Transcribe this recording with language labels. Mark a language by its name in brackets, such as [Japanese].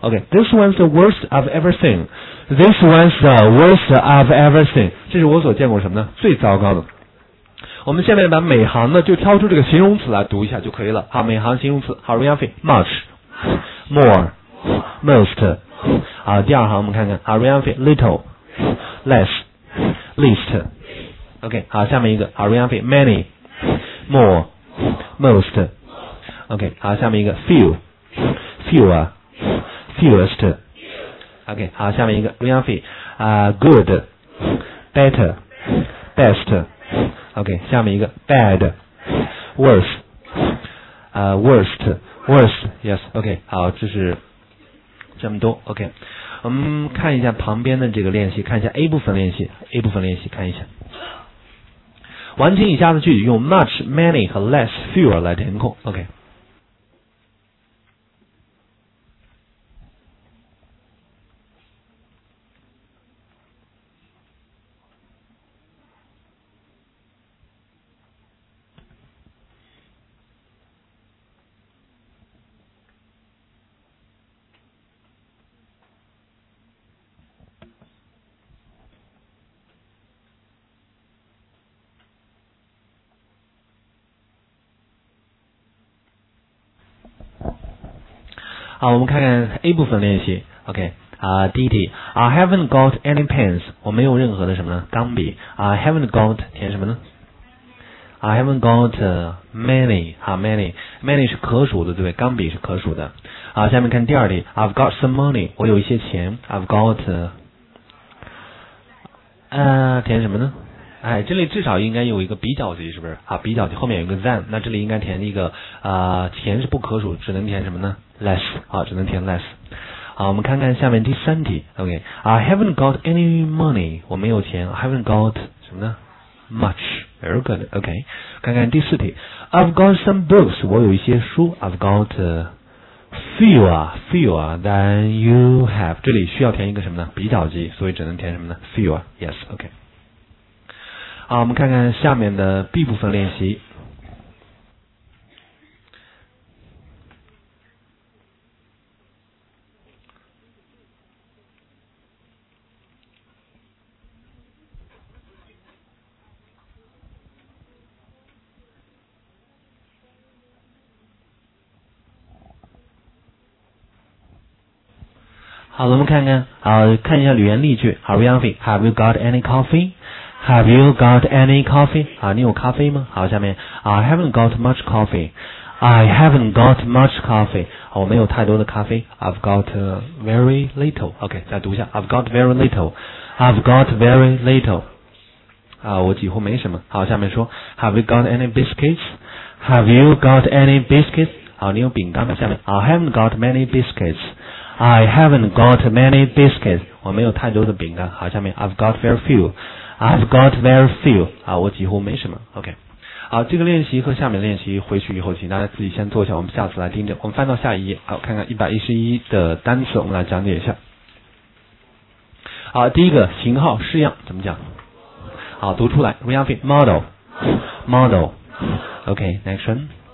[English] OK, this one's the worst I've ever seen. This one's the worst I've ever seen. [Chinese] 这是我所见过什么呢？最糟糕的。我们下面把每行呢就挑出这个形容词来读一下就可以了。好，每行形容词。好 ，Ryan Fee, [English] much, more, most. [Chinese] 好，第二行我们看看。好 ，Ryan Fee, little. [English] Less, least. OK, [Chinese] 好，下面一个 [English] Ariane, many, more, most. OK, 好，下面一个 few, fewer, fewest. OK, 好，下面一个 Ariane, good, better, best. OK, [Chinese] 下面一个 [English] bad, worse, worst, worst. Yes, OK, [Chinese] 好，这是这么多。 [English] OK. [Chinese] 我们看一下旁边的这个练习，看一下 A 部分练习， A 部分练习看一下。完成以下的句子，用 [English] much, many [Chinese] 和 [English] less, fewer [Chinese] 来填空。 [English] OK。 [Chinese] 好，我们看看 A 部分练习。 [English] OK, [Chinese] 第一题 [English] ，I haven't got any pens. [Chinese] 我没有任何的什么呢？钢笔。 [English] I haven't got [Chinese] 填什么呢 [English] ？I haven't got many. [Chinese] 好 ，many, many 是可数的，对不对？钢笔是可数的。好，下面看第二题 ， [English] I've got some money. [Chinese] 我有一些钱。 [English] I've got [Chinese] 填什么呢？哎，这里至少应该有一个比较级，是不是？好，比较级后面有一个 than, 那这里应该填一个钱是不可数，只能填什么呢？ less, 好，只能填 less。好，我们看看下面第三题。 [English] OK, I haven't got any money, [Chinese] 我没有钱。 [English] I haven't got [Chinese] 什么呢？ [English] much, very good. OK, [Chinese] 看看第四题。 [English] I've got some books, [Chinese] 我有一些书。 [English] I've got fewer than you have, [Chinese] 这里需要填一个什么呢？比较级，所以只能填什么呢？ [English] fewer, yes, OK。 [Chinese] 好，我们看看下面的 B 部分练习。好，我们看看，看一下语言例句。 [English] 好 ，Ryan Fee, have you got any coffee? Have you got any coffee? [Chinese] 好，你有咖啡吗？好，下面 [English] ，I haven't got much coffee. I haven't got much coffee. [Chinese] 好，我没有太多的咖啡。 [English] I've got very little. [Chinese] OK, 再读一下。 [English] I've got very little. I've got very little. [Chinese] 我几乎没什么。好，下面说 [English] ，Have you got any biscuits? Have you got any biscuits? [Chinese] 好，你有饼干吗？下面 [English] ，I haven't got many biscuits. I haven't got many biscuits. [Chinese] 我没有太多的饼干。 [English] 好，下面 I've got very few. I've got very few. [Chinese] 啊，我几乎没什么。 [English] OK. [Chinese] 好，这个练习和下面练习回去以后，请大家自己先做一下，我们下次来盯着。我们翻到下一页，好，看看111的单词，我们来讲解一下。好，第一个型号式样怎么讲？好，读出来。 [English] Real fit model, model. OK, next one.